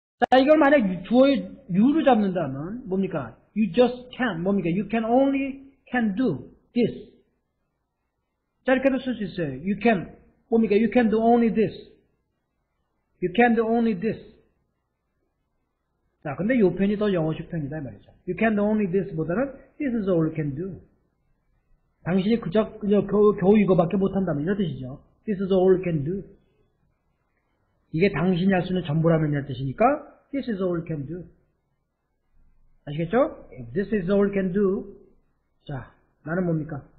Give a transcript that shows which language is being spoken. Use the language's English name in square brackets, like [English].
[Korean] 자, 이걸 만약 주어의 유로 잡는다면, 뭡니까? [English] You just can. [Korean] 뭡니까? [English] You can only can do this. [Korean] 자, 이렇게도 쓸 수 있어요. [English] You can. [Korean] 뭡니까? [English] You can do only this. You can do only this. [Korean] 자, 근데 요 편이 더 영어식 편이다, 이 말이죠. [English] You can do only this [Korean] 보다는 [English] this is all you can do. [Korean] 당신이 그저 그냥 겨우 이거밖에 못한다면, 이런 뜻이죠. [English] This is all you can do. [Korean] 이게 당신이 할 수 있는 전부라면이란 뜻이니까 [English] this is all can do. [Korean] 아시겠죠? [English] If this is all can do. [Korean] 자, 나는 뭡니까?